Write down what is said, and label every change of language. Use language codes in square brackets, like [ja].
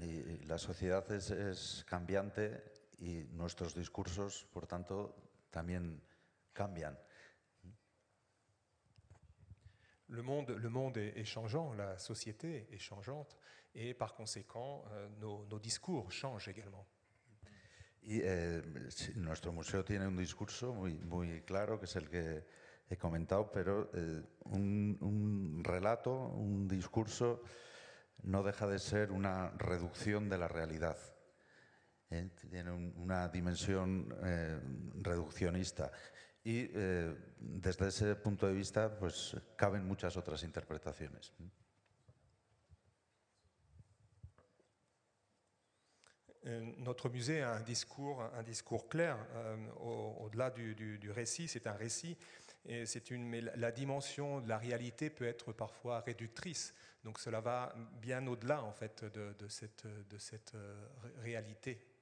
[es] Y la sociedad es cambiante. Y nuestros discursos, por tanto, también cambian. [fr] Le monde est changeant, la société est changeante, et par conséquent, nos discours changent également. [es] Y nuestro museo tiene un discurso muy, muy claro, que es el que he comentado, pero un relato, un discurso, no deja de ser una reducción de la realidad. Tiene una dimensión reduccionista y desde ese punto de vista pues caben muchas otras interpretaciones. [fr] Notre musée a un discours clair au-delà du récit, c'est un récit et la dimension de la réalité peut être parfois réductrice, donc cela va bien au-delà en fait de cette réalité.